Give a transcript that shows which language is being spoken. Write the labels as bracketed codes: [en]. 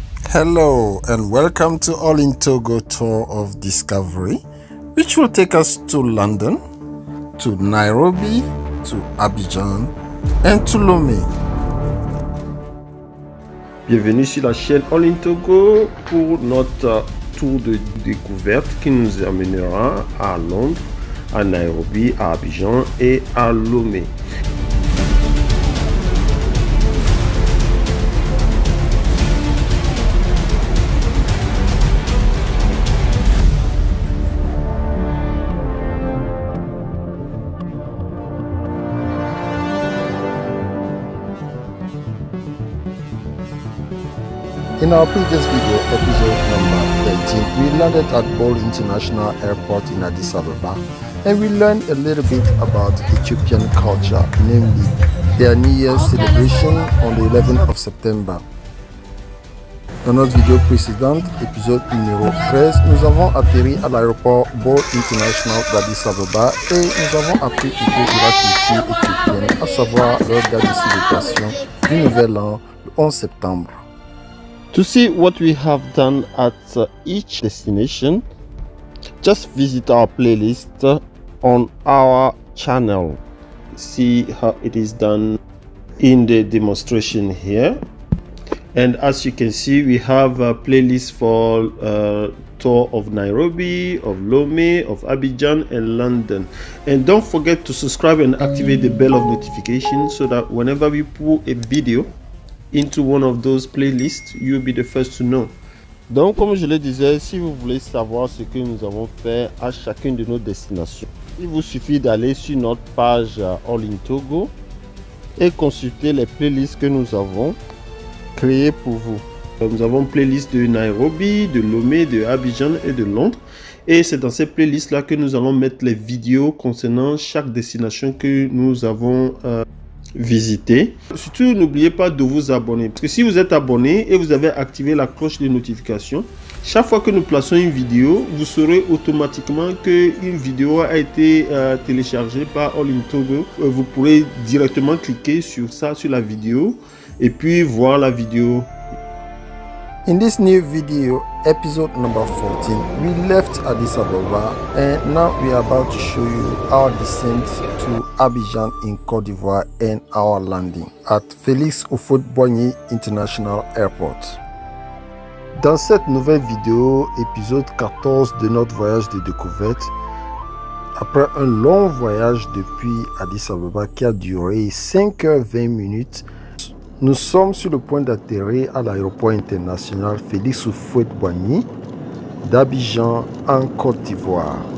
[en] Hello and welcome to All in Togo Tour of Discovery, which will take us to London, to Nairobi, to Abidjan and to Lomé. [fr] Bienvenue sur la chaîne All in Togo pour notre tour de découverte qui nous amènera à Londres, à Nairobi, à Abidjan et à Lomé. [en] In our previous video, episode number 13, we landed at Bole International Airport in Addis Ababa and we learned a little bit about Ethiopian culture, namely their New Year's celebration on the 11th of September. [fr] Dans notre vidéo précédente, épisode numéro 13, nous avons atterri à l'aéroport Bole International d'Addis Ababa et nous avons appris un peu de la culture éthiopienne, à savoir leur date de célébration du nouvel an, le 11 septembre. [en] To see what we have done at each destination, just visit our playlist on our channel. See how it is done in the demonstration here. And as you can see, we have a playlist for tour of Nairobi, of Lomé, of Abidjan and London. And don't forget to subscribe and activate the bell of notification so that whenever we pull a video into one of those playlists, you'll be the first to know. [fr] Donc, comme je le disais, si vous voulez savoir ce que nous avons fait à chacune de nos destinations, il vous suffit d'aller sur notre page All in Togo et consulter les playlists que nous avons créées pour vous. Nous avons playlist de Nairobi, de Lomé, de Abidjan et de Londres. Et c'est dans ces playlists là que nous allons mettre les vidéos concernant chaque destination que nous avons visiter. Surtout, n'oubliez pas de vous abonner. Parce que si vous êtes abonné et vous avez activé la cloche de notification, chaque fois que nous plaçons une vidéo, vous saurez automatiquement qu'une vidéo a été téléchargée par All in Togo. Vous pourrez directement cliquer sur ça, sur la vidéo, et puis voir la vidéo. [en] In this new video, episode number 14, we left Addis Ababa and now we are about to show you our descent to Abidjan in Côte d'Ivoire and our landing at Félix Houphouët-Boigny International Airport. [fr] Dans cette nouvelle vidéo, épisode 14 de notre voyage de découverte, après un long voyage depuis Addis Ababa qui a duré 5h20, nous sommes sur le point d'atterrir à l'aéroport international Félix Houphouët-Boigny d'Abidjan en Côte d'Ivoire.